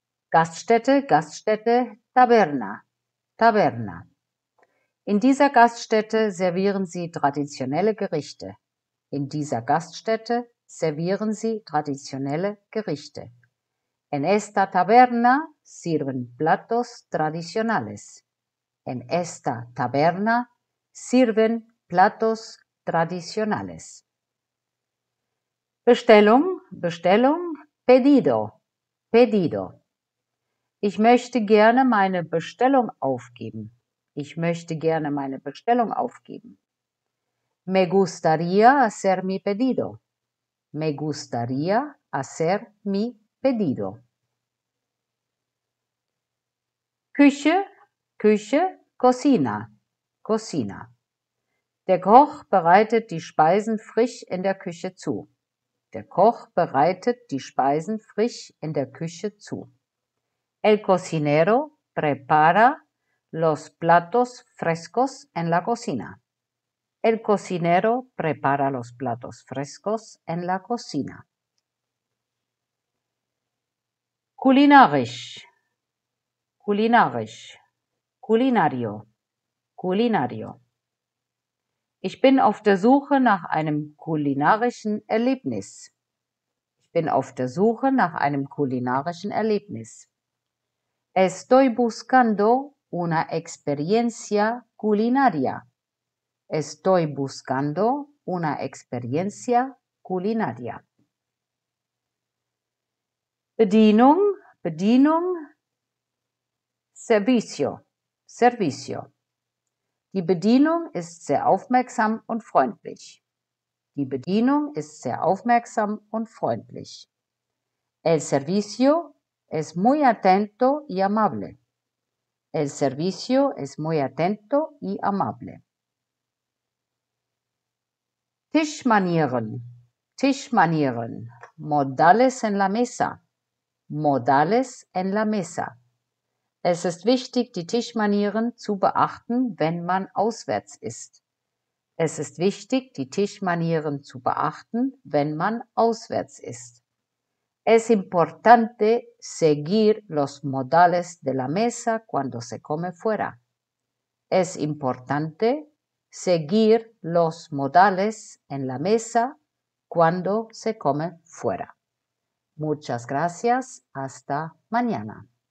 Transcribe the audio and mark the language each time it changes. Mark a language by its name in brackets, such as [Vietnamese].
[German] Gaststätte, Gaststätte, [Spanish] Taberna, Taberna. [German] In dieser Gaststätte servieren Sie traditionelle Gerichte. In dieser Gaststätte servieren Sie traditionelle Gerichte. [Spanish] En esta taberna sirven platos tradicionales. En esta taberna sirven platos tradicionales. [German] Bestellung, Bestellung, [Spanish] pedido, pedido. [German] Ich möchte gerne meine Bestellung aufgeben. Ich möchte gerne meine Bestellung aufgeben. [Spanish] Me gustaría hacer mi pedido. Me gustaría hacer mi pedido. [German] Küche, Küche, [Spanish] Cocina, Cocina. [German] Der Koch bereitet die Speisen frisch in der Küche zu. Der Koch bereitet die Speisen frisch in der Küche zu. [Spanish] El cocinero prepara los platos frescos en la cocina. El cocinero prepara los platos frescos en la cocina. [German] Kulinarisch. Kulinarisch, [Spanish] Kulinario, Kulinario. [German] Ich bin auf der Suche nach einem kulinarischen Erlebnis. Ich bin auf der Suche nach einem kulinarischen Erlebnis. [Spanish] Estoy buscando una experiencia culinaria. Estoy buscando una experiencia culinaria. [German] Bedienung, Bedienung. [Spanish] Servicio, Servicio. [German] Die Bedienung ist sehr aufmerksam und freundlich. Die Bedienung ist sehr aufmerksam und freundlich. [Spanish] El servicio es muy atento y amable. El servicio es muy atento y amable. [German] Tischmanieren, Tischmanieren. [Spanish] Modales en la mesa, modales en la mesa. [German] Es ist wichtig, die Tischmanieren zu beachten, wenn man auswärts isst. Es ist wichtig, die Tischmanieren zu beachten, wenn man auswärts isst. [Spanish] Es importante seguir los modales de la mesa cuando se come fuera. Es importante seguir los modales en la mesa cuando se come fuera. Muchas gracias. Hasta mañana.